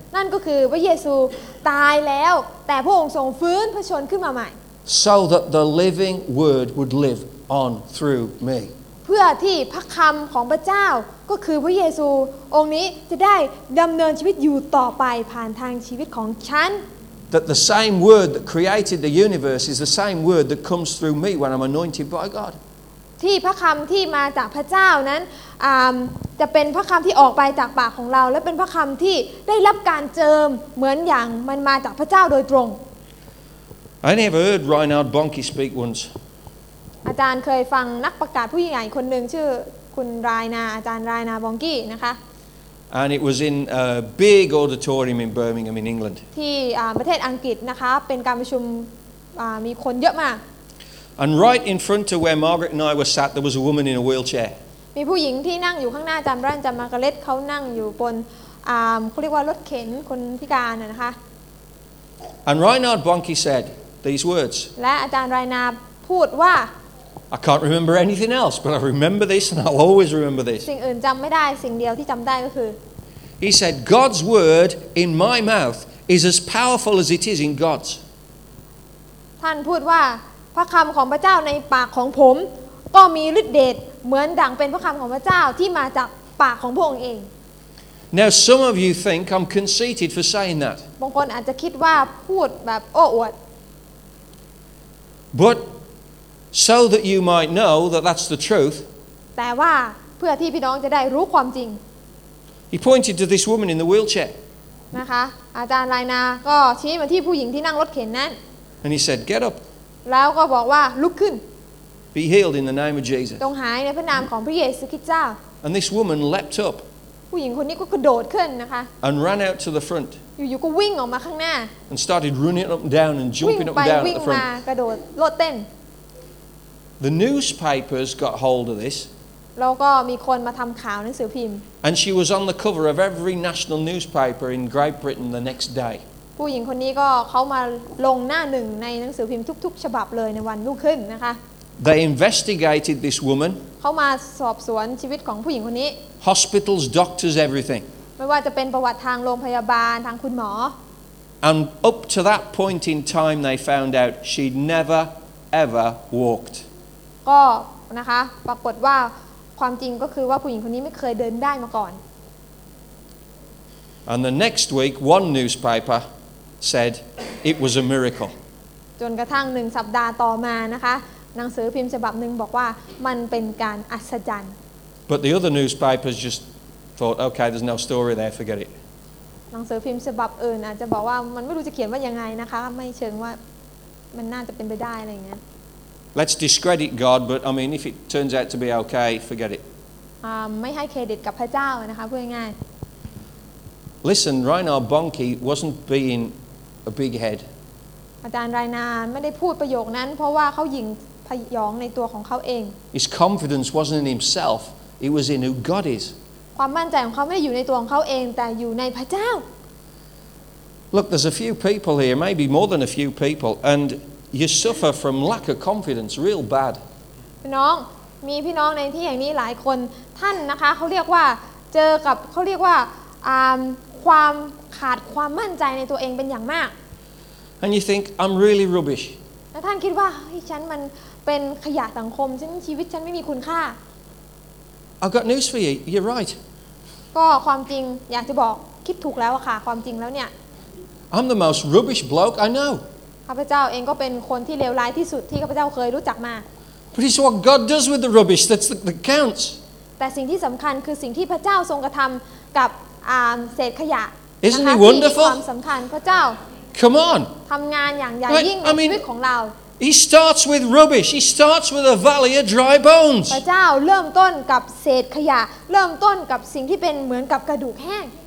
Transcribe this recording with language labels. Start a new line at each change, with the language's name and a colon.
Thai: นั่นก็คือพระเยซูตายแล้วแต่พระองค์ทรงฟื้นพระชนขึ้นมาใหม่
English: So that the living word would live on through me
Thai: เพื่อที่พระคำของพระเจ้าก็คือพระเยซูองค์นี้จะได้ดำเนินชีวิตอยู่ต่อไปผ่านทางชีวิตของฉัน
English: That the same word that created the universe is the same word that comes through me when I'm anointed by God
Thai: ที่พระคำที่มาจากพระเจ้านั้นจะเป็นพระคำที่ออกไปจากปากของเราและเป็นพระคำที่ได้รับการเจิมเหมือนอย่างมันมาจากพระเจ้าโดยตรง
English: I never heard Reinhard Bonnke speak once
Thai: อาจารย์เคยฟังนักประกาศผู้ใหญ่คนหนึ่งชื่อคุณไรนาอาจารย์ไรนาบองกี้นะคะ
English: And it was in a big auditorium in Birmingham in England
Thai: ที่ประเทศอังกฤษนะคะเป็นการประชุมมีคนเยอะมาก
English: And right in front of where Margaret and I were sat, there was a woman in a wheelchair.
Thai: มีผู้หญิงที่นั่งอยู่ข้างหน้าจำร่างจำมาร์กาเร็ตเขานั่งอยู่บนเขาเรียกว่ารถเข็นคนพิการนะคะ
English: And Reinhard Bonnke said these words.
Thai: และอาจารย์ไรนาพูดว่า
English: I can't remember anything else, but I remember this, and I'll always remember this.
Thai: สิ่งอื่นจำไม่ได้สิ่งเดียวที่จำได้ก็คือ
English: He said, "God's word in my mouth is as powerful as it is in God's."
Thai: ท่านพูดว่าพระคำของพระเจ้าในปากของผมก็มีฤทธิ์เดชเหมือนดังเป็นพระคำของพระเจ้าที่มาจากปากของพระองค์เอง
English: Now some of you think I'm conceited for saying that
Thai: บางคนอาจจะคิดว่าพูดแบบโอ้อวด
English: But so that you might know that that's the truth
Thai: แต่ว่าเพื่อที่พี่น้องจะได้รู้ความจริง
English: He pointed to this woman in the wheelchair
Thai: นะคะอาจารย์ไรนาก็ชี้มาที่ผู้หญิงที่นั่งรถเข็นนั้น
English: And he said get up
Thai: แล้วก็บอกว่าลุกขึ้น
English: Be healed in the name of Jesus
Thai: ต้องหายในพระนามของพระเยซูคริสต์เจ้า
English: And this woman leapt up
Thai: ผู้หญิงคนนี้ก็กระโดดขึ้นนะคะ
English: And ran out to the front
Thai: อยู่ๆก็วิ่งออกมาข้างหน้า
English: And started running up and down and jumping up and down
Thai: วิ่งไปวิ่งมากระโดดโลดเต้น
English: The newspapers got hold of this
Thai: แล้วก็มีคนมาทำข่าวหนังสือพิมพ์
English: And she was on the cover of every national newspaper in Great Britain the next day
Thai: ผู้หญิงคนนี้ก็เขามาลงหน้าหนึ่งในหนังสือพิมพ์ทุกๆฉบับเลยในวันรุ่งขึ้นนะคะ
English: They investigated this woman
Thai: เขามาสอบสวนชีวิตของผู้หญิงคนนี้
English: Hospitals, doctors, everything
Thai: ไม่ว่าจะเป็นประวัติทางโรงพยาบาลทางคุณหมอ
English: And up to that point in time they found out she'd never ever walked
Thai: ก็นะคะปรากฏว่าความจริงก็คือว่าผู้หญิงคนนี้ไม่เคยเดินได้มาก่อน
English: And the next week, one newspaper said it was a miracle.
Thai: จนกระทั่งหนึ่งสัปดาห์ต่อมานะคะหนังสือพิมพ์ฉบับหนึ่งบอกว่ามันเป็นการอัศจรรย์
English: But the other newspapers just thought, okay, there's no story there, forget it.
Thai: หนังสือพิมพ์ฉบับอื่นอาจจะบอกว่ามันไม่รู้จะเขียนว่ายังไงนะคะไม่เชิงว่ามันน่าจะเป็นไปได้อะไรอย่างเงี้ย
English: Let's discredit God, but I mean, if it turns out to be okay, forget it.
Thai: ไม่ให้เครดิตกับพระเจ้านะคะพูดง่าย
English: Listen, Reinhard Bonnke wasn't being a big head.
Thai: อาจารย์ไรนานไม่ได้พูดประโยคนั้นเพราะว่าเขาหยิ่งพยองในตัวของเขาเอง
English: His confidence wasn't in himself. It was in who God is.
Thai: ความมั่นใจของเขาไม่ได้อยู่ในตัวของเขาเองแต่อยู่ในพระเจ้า
English: Look, there's a few people here, maybe more than a few people, and you suffer from lack of confidence real bad.
Thai: น้องมีพี่น้องในที่แห่งนี้หลายคนท่านนะคะเขาเรียกว่าเจอกับเขาเรียกว่าความขาดความมั่นใจในตัวเองเป็นอย่างมาก
English: And you think I'm really rubbish
Thai: แล้วท่านคิดว่าฉันมันเป็นขยะสังคมฉันชีวิตฉันไม่มีคุณค่า
English: I've got news for you you're right
Thai: ก็ความจริงอยากจะบอกคิดถูกแล้วค่ะความจริงแล้วเนี่ย
English: I'm the most rubbish bloke I know
Thai: ข้าพเจ้าเองก็เป็นคนที่เลวร้ายที่สุดที่ข้าพเจ้าเคยรู้จักมา
English: But it's what God does with the rubbish that's the counts.
Thai: แต่สิ่งที่สำคัญคือสิ่งที่พระเจ้าทรงกระทำกับเศษขยะ
English: Isn't it wonderful?
Thai: ความสำคัญพระเจ้า
English: Come on.
Thai: ทำงานอย่างใหญ่ยิ่งในชีวิตของเรา
English: He starts with rubbish. He starts with a valley of dry bones.
Thai: พระเจ้าเริ่มต้นกับเศษขยะเริ่มต้นกับสิ่งที่เป็นเหมือนกับกระดูกแห้ง